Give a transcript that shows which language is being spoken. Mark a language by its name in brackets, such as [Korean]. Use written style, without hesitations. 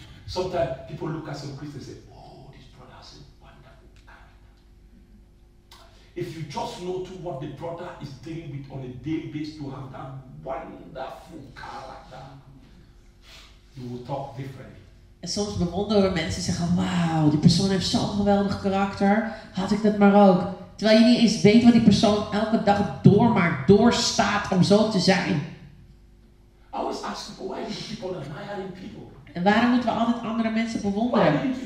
[English] Sometimes people look at some Christians and say, oh, this brother has a wonderful character. If you just know too what the brother is dealing with on a daily basis to have that wonderful character, you will talk differently. [Dutch] En soms bewonderen we mensen die zeggen, wauw, die persoon heeft zo'n geweldig karakter. Had ik dat maar ook. Terwijl je niet eens weet wat die persoon elke dag doormaakt, doorstaat om zo te zijn. [English] I always ask people, why do people admire people? [Dutch] En waarom moeten we altijd andere mensen bewonderen?